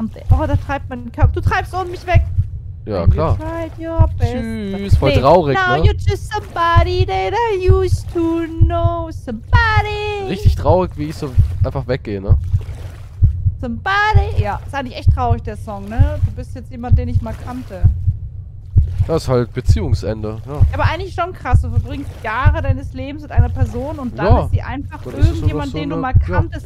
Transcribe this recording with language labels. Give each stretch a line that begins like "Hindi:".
German: Oh, da treibt mein Körper. Du treibst ohne mich weg. Ja, klar. Tschüss. Voll traurig,
English: now
German: ne?
English: Now you're just somebody that I used to know. Somebody.
German: Richtig traurig, wie ich so einfach weggehe, ne?
English: Somebody.
German: Ja, ist eigentlich echt traurig, der Song, ne? Du bist jetzt jemand, den ich mal kannte. Das ist halt Beziehungsende, ja. Aber eigentlich schon krass. Du verbringst Jahre deines Lebens mit einer Person und dann ist sie einfach irgendjemand, so den du mal kanntest.